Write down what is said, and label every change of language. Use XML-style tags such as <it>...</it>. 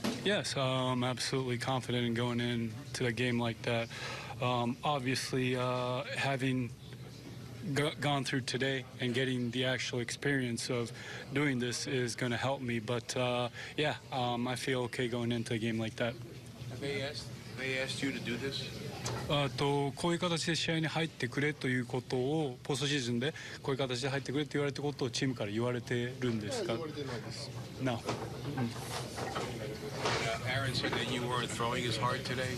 <en>Yes, I'm absolutely confident in going into a game like that. Obviously, having gone through today and getting the actual experience of doing this is going to help me. But I feel okay going into a game like that. Have they asked you to do this?</en> <ja>こういう形で試合に入ってくれということをポストシーズンでこういう形で入ってくれと言われたことをチームから言われてるんですか？言われてないです。</ja> <en>Aaron said that you weren't throwing as hard today.</en>